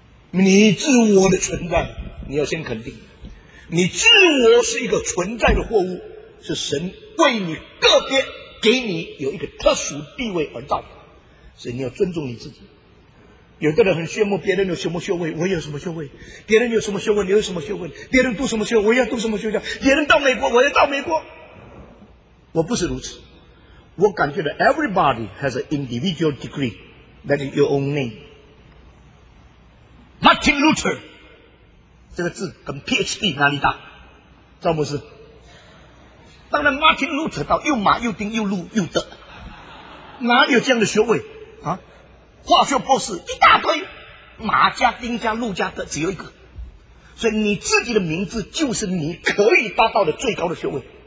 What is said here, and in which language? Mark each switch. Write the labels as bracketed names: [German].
[Chinese] 你自我的存在你要先肯定，你自我是一个存在的货物，是神为你个别给你有一个特殊地位而造的，所以你要尊重你自己。有的人很羡慕别人有什么学位，我有什么学位，别人有什么学位，你有什么学位，别人读什么学位，我要读什么学校，别人到美国，我要到美国。我不是如此，我感觉到 [English] everybody has an individual degree that is your own name。 [Chinese] Martin Luther这个字跟 PhD 哪里大？赵牧师，当然 Martin Luther 到又马又丁又路又德，哪里有这样的学位啊？化学博士一大堆，马加丁加路加德只有一个，所以你自己的名字就是你可以达到的最高的学位。